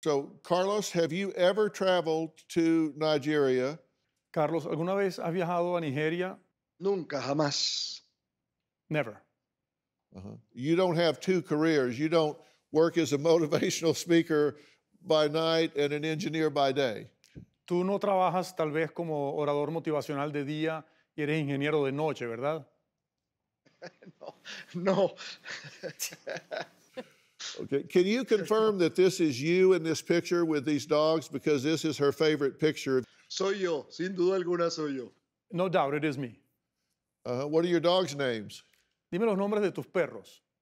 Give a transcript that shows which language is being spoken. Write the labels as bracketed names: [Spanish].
[English] So, Carlos, have you ever traveled to Nigeria? [Spanish] Carlos, ¿alguna vez has viajado a Nigeria? Nunca, jamás. [English] Never. You don't have two careers. You don't work as a motivational speaker by night and an engineer by day. [Spanish] Tú no trabajas tal vez como orador motivacional de día y eres ingeniero de noche, ¿verdad? No. No. [English] Okay. Can you confirm that this is you in this picture with these dogs? Because this is her favorite picture. [Spanish] Soy yo. Sin duda alguna soy yo. [English] No doubt, it is me. What are your dogs' names? [Spanish] Dime los nombres de tus perros.